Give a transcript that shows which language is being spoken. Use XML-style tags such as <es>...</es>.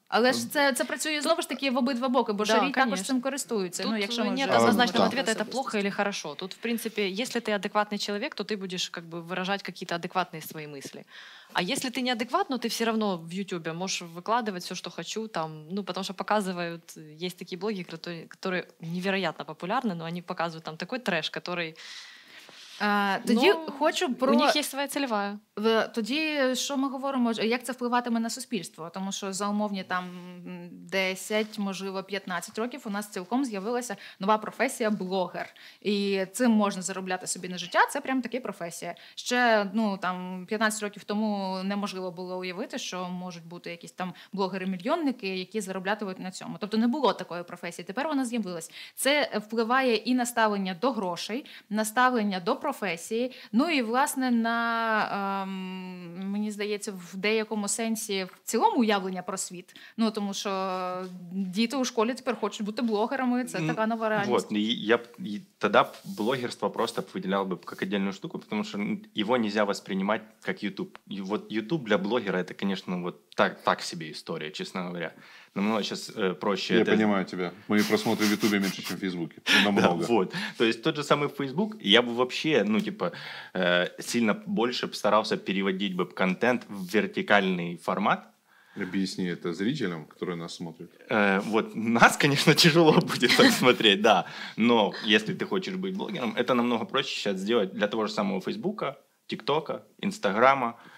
<uk>Але ж це працює, знову ж таки, в обидва боки, бо жарі також цим користуються. Тут, ну, якщо ми</uk> <ru>нет однозначного ответа, это плохо или хорошо. Тут, в принципе, если ты адекватный человек, то ты будешь как бы выражать какие-то адекватные свои мысли. А если ты неадекват, но ты все равно в Ютубе можешь выкладывать все, что хочу, там, ну, потому что показывают, есть такие блоги, которые невероятно популярны, но они показывают там такой трэш, который...</ru> <uk>Тоді, ну, хочу про... У них є своя цільова. Тоді, що ми говоримо, як це впливатиме на суспільство? Тому що за умовні там 10, можливо, 15 років у нас цілком з'явилася нова професія – блогер. І цим можна заробляти собі на життя, це прям така професія. Ще, ну, там, 15 років тому неможливо було уявити, що можуть бути якісь там блогери-мільйонники, які зароблятимуть на цьому. Тобто не було такої професії, тепер вона з'явилась. Це впливає і на ставлення до грошей, на ставлення до професії, ну і, власне, на, мені здається, в деякому сенсі в цілому уявлення про світ. Ну, тому що діти у школі тепер хочуть бути блогерами, це така нова реальність. От, я б, тоді б блогерство просто б виділяв би як окрему штуку, тому що його не можна сприймати як Ютуб. От Ютуб для блогера, це, звісно, от так собі історія, чесно говоря.</uk> <ru>Намного сейчас проще. Я понимаю тебя. Мои просмотры в Ютубе меньше, чем в Фейсбуке. Намного. Да, вот. То есть тот же самый Фейсбук, я бы вообще, ну, типа, сильно больше старался переводить бы контент в вертикальный формат. Объясни это зрителям, которые нас смотрят. Вот нас, конечно, тяжело будет так смотреть, да. Но если ты хочешь быть блогером, это намного проще сейчас сделать для того же самого Фейсбука, ТикТока, Инстаграма.</ru>